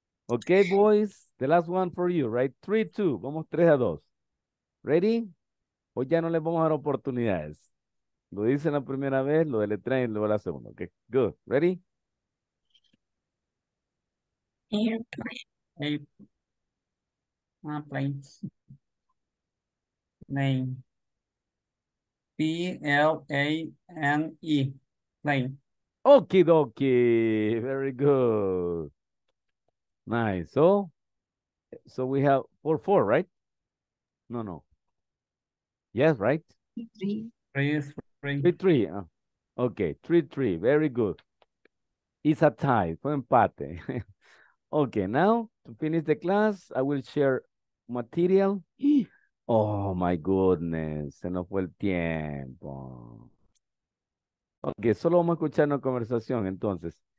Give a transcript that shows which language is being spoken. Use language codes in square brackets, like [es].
[en] Okay, boys, the last one for you, right? [es] 3-2, vamos 3-2. [en] Ready? [es] Hoy ya no les vamos a dar oportunidades. Lo dice la primera vez, lo deletrean y luego la segunda. [en] Okay, good. Ready? Airplane. Name. P-L-A-N-E. Plane. Okie dokie. Very good. Nice. So we have 4-4, right? No. Yes, right? 3-3. 3-3. Okay, 3-3. Very good. It's a tie. [es] Fue empate. [en] Okay, now to finish the class, I will share material. Oh my goodness, [es] se nos fue el tiempo. Okay, solo vamos a escuchar una conversación, entonces.